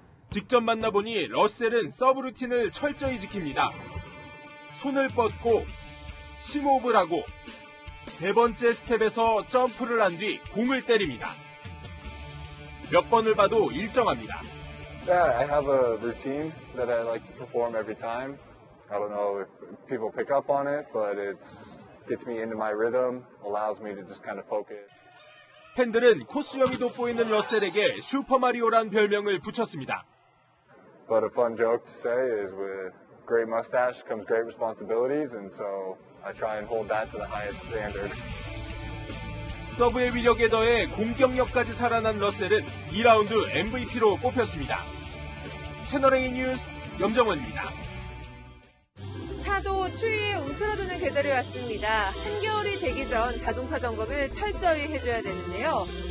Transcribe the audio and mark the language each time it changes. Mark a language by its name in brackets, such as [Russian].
[Korean] 직접 만나보니 러셀은 서브 루틴을 철저히 지킵니다. 손을 뻗고 심호흡을 하고 세 번째 스텝에서 점프를 한 뒤 공을 때립니다. 몇 번을 봐도 일정합니다. [English] Yeah, I have a routine that I like to perform every time. I don't know if people pick up on it, but it gets me into my rhythm, allows me to just kind of focus. [Korean] 팬들은 코수염이 돋보이는 러셀에게 슈퍼마리오란 별명을 붙였습니다. [English] But a fun joke to say is with great mustache comes great responsibilities, and so I try and hold that to the highest standard. [Korean] 서브의 위력에 더해 공격력까지 살아난 러셀은 2라운드 MVP로 뽑혔습니다. 채널A 뉴스 염정원입니다. 차도 추위에 움츠러드는 계절이 왔습니다. 한겨울이 되기 전 자동차 점검을 철저히 해줘야 되는데요.